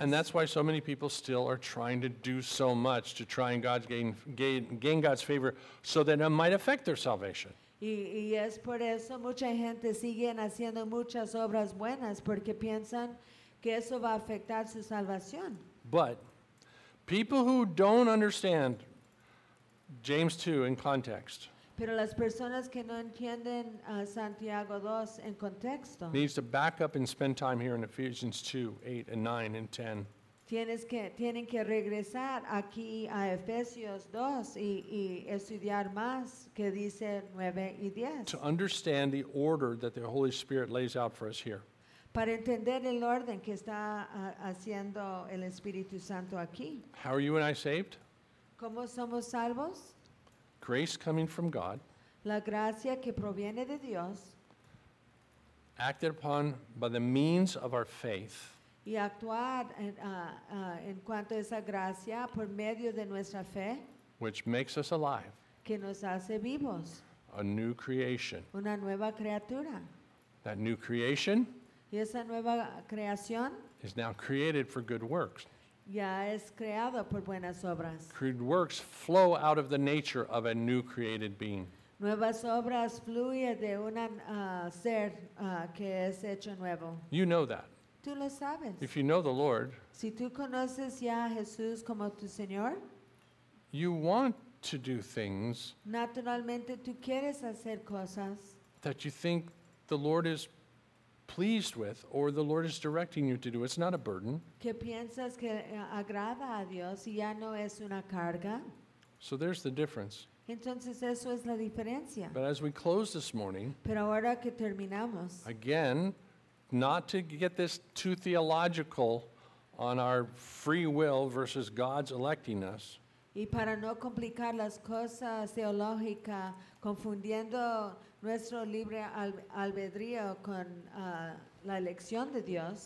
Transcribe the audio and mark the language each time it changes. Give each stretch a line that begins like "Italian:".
English: And that's why so many people still are trying to do so much to try and gain God's favor so that it might affect their salvation.
Spanish: Y es por eso mucha gente sigue haciendo muchas obras buenas porque piensan que eso va a afectar su salvación.
English: But people who don't understand James 2 in context,
Spanish: pero las personas que no entienden Santiago 2 en contexto,
English: needs to back up and spend time here in Ephesians 2, 8, and 9, and 10.
Spanish: Tienen que regresar aquí a Efesios 2 y estudiar más que dice 9 y 10.
English: To understand the order that the Holy Spirit lays out for us here.
Spanish: Para entender el orden que está haciendo el Espíritu Santo aquí.
English: How are you and I saved?
Spanish: ¿Cómo somos salvos?
English: Grace coming from God.
Spanish: La gracia que proviene de Dios.
English: Acted upon by the means of our faith.
Spanish: Y actuar en cuanto a esa gracia por medio de nuestra fe.
English: Which makes us alive.
Spanish: Que nos hace vivos.
English: A new creation.
Spanish: Una nueva criatura.
English: That new creation.
Spanish: Y esa nueva creación.
English: Is now created for good works.
Spanish: Ya es creado por buenas obras.
English: Good works flow out of the nature of a new created being.
Spanish: Nuevas obras fluye de un ser que es hecho nuevo.
English: You know that.
Spanish: Tú lo sabes.
English: If you know the Lord,
Spanish: si tú conoces ya a Jesús como tu Señor,
English: you want to do things
Spanish: naturalmente tú quieres hacer cosas
English: that you think the Lord is pleased with, or the Lord is directing you to do. It's not a burden.
Spanish: Que piensas que agrada a Dios y ya no es una carga.
English: So there's the difference.
Spanish: Entonces eso es la diferencia.
English: But as we close this morning,
Spanish: pero ahora que terminamos,
English: again, not to get this too theological on our free will versus God's electing us.
Spanish: Y para no complicar las cosas teológicas, confundiendo nuestro libre albedrío con la elección de Dios.